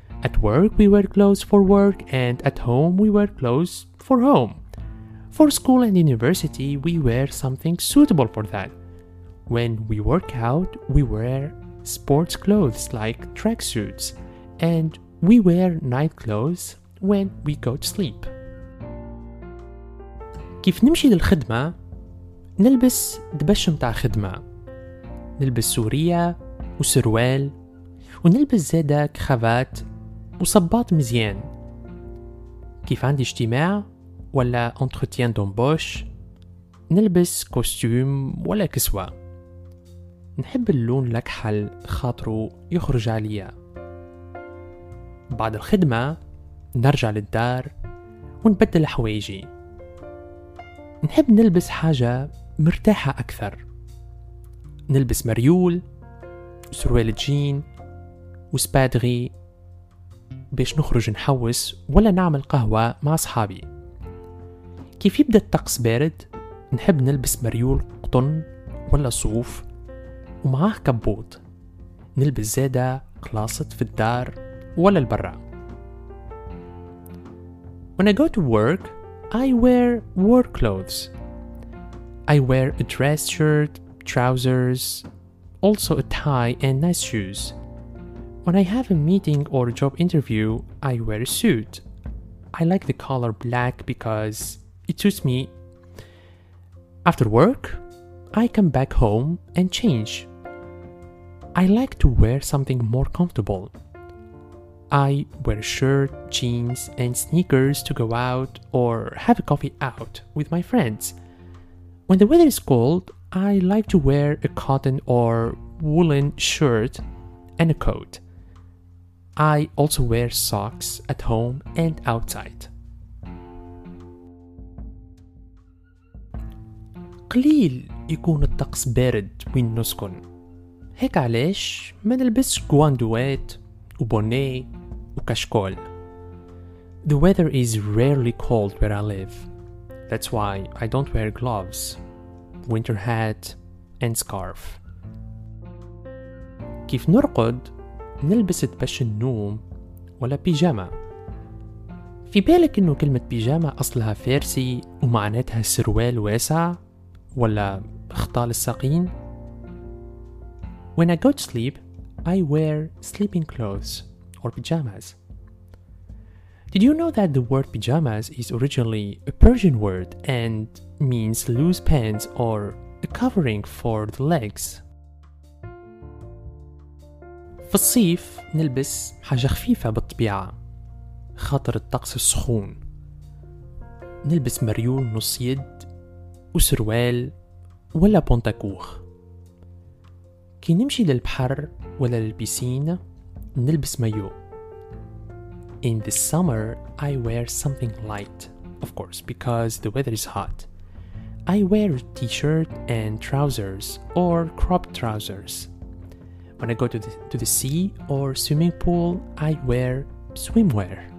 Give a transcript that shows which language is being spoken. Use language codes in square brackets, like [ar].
[en] At work we wear clothes for work, and at home we wear clothes for home. For school and university we wear something suitable for that. When we work out we wear sports clothes like tracksuits, and we wear night clothes when we go to sleep. [ar] كيف نمشي للخدمة نلبس دبش متاع خدمة، نلبس سورية وسروال، ونلبس زادة كخافات وصباط مزيان. كيف عندي اجتماع ولا انتروتيان دومبوش نلبس كوستيوم ولا كسوة. نحب اللون الكحل خاطرو يخرج عليا. بعد الخدمة نرجع للدار ونبدل حوايجي. نحب نلبس حاجة مرتاحة أكثر، نلبس مريول، سروال جين، وسبادغي باش نخرج نحوس ولا نعمل قهوة مع صحابي. كيف يبدأ الطقس بارد نحب نلبس مريول قطن ولا صوف ومعاه كبوط. نلبس زادة كلاسط في الدار ولا البرا. [en] When I go to work I wear work clothes. I wear a dress shirt, trousers, also a tie and nice shoes. When I have a meeting or a job interview, I wear a suit. I like the color black because it suits me. After work, I come back home and change. I like to wear something more comfortable. I wear a shirt, jeans, and sneakers to go out or have a coffee out with my friends. When the weather is cold, I like to wear a cotton or woolen shirt and a coat. I also wear socks at home and outside. [ar] قليل يكون الطقس بارد وين نسكن، هيك علاش ما نلبس جواندوات وبوني وكشكول. [en] The weather is rarely cold where I live. That's why I don't wear gloves, winter hat and scarf. [ar] كيف نرقد نلبس دبش النوم ولا بيجامة. في بالك انه كلمة بيجامة اصلها فارسي ومعناتها سروال واسع ولا خطال الساقين. [en] When I go to sleep, I wear sleeping clothes or pajamas. Did you know that the word pajamas is originally a Persian word and means loose pants or a covering for the legs? [ar] في الصيف نلبس حاجة خفيفة بالطبيعة خاطر الطقس السخون. نلبس مريول نص يد وسروال ولا بونتاكوخ. كي نمشي للبحر ولا للبيسين نلبس مايو. [en] In the summer, I wear something light, of course, because the weather is hot. I wear a t-shirt and trousers or cropped trousers. When I go to the sea or swimming pool, I wear swimwear.